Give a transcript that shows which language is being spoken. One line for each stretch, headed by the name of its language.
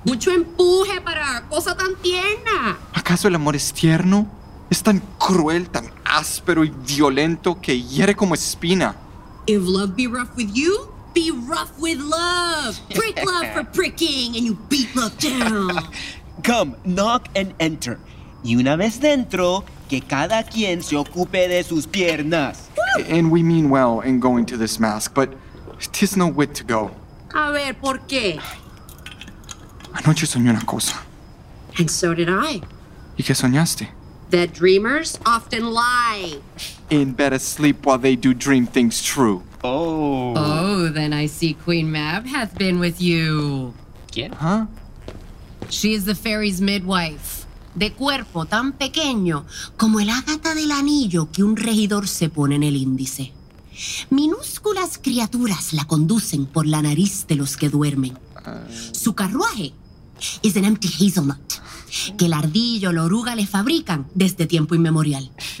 Spanish: Mucho empuje para cosa tan tierna. ¿Acaso el amor es tierno? Es tan cruel, tan áspero y violento que hiere como espina.
English: If love be rough with you, be rough with love. Prick love for pricking and you beat love down. Come, knock and enter.
Spanish: Y una vez dentro, que cada quien se ocupe de sus piernas.
English: And we mean well in going to this mask, but 'tis no wit to go.
Spanish: A ver, ¿por qué? Anoche soñé una cosa.
English: And so did I.
Spanish: ¿Y qué soñaste?
English: That dreamers often lie. In bed asleep while they do dream things true. Oh. Oh, then I see Queen Mab hath been with you.
Spanish: ¿Quién? Huh?
English: She is the fairy's midwife.
Spanish: De cuerpo tan pequeño como el ágata del anillo que un regidor se pone en el índice. Minúsculas criaturas la conducen por la nariz de los que duermen. Su carruaje
English: is an empty hazelnut
Spanish: que el ardillo o la oruga le fabrican desde tiempo inmemorial.